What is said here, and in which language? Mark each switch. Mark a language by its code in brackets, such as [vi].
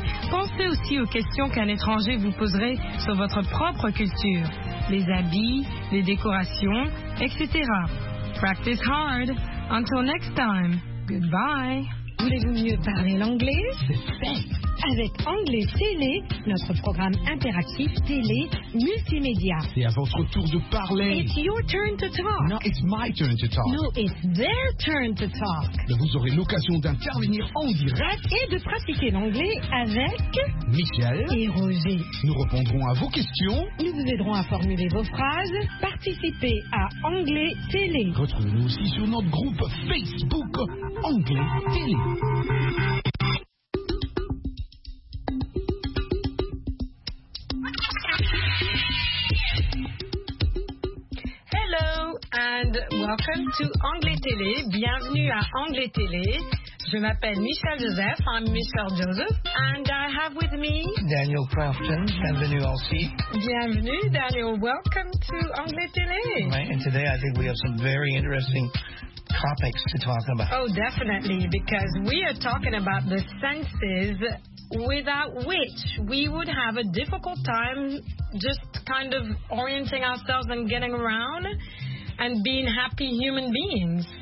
[fr] Pensez aussi aux questions qu'un étranger vous poserait sur votre propre culture, les habits, les décorations, etc. [en] Practice hard. Until next time. Goodbye. [fr] Voulez-vous mieux parler l'anglais? Avec Anglais Télé, notre programme interactif télé multimédia. C'est à votre tour de parler. [en] It's your turn to talk. No, it's my turn to talk. No, it's their turn to talk. [fr] Vous aurez l'occasion d'intervenir en direct et de pratiquer l'anglais avec Michel et Roger. Nous répondrons à vos questions. Nous vous aiderons à formuler vos phrases. Participez à Anglais Télé. Retrouvez-nous aussi sur notre groupe Facebook Anglais Télé. [en] And welcome to Anglais Télé. [fr] Bienvenue à Anglais Télé. Je m'appelle Michel Joseph. [en] I'm Michel Joseph. And I have with me [fr] Daniel Crofton. Bienvenue aussi. Bienvenue, Daniel. [en] Welcome to Anglais Télé. Right, and today I think we have some very interesting topics to talk about. Oh, definitely, because we are talking about the senses without which we would have a difficult time just kind of orienting ourselves and getting around and being happy human beings.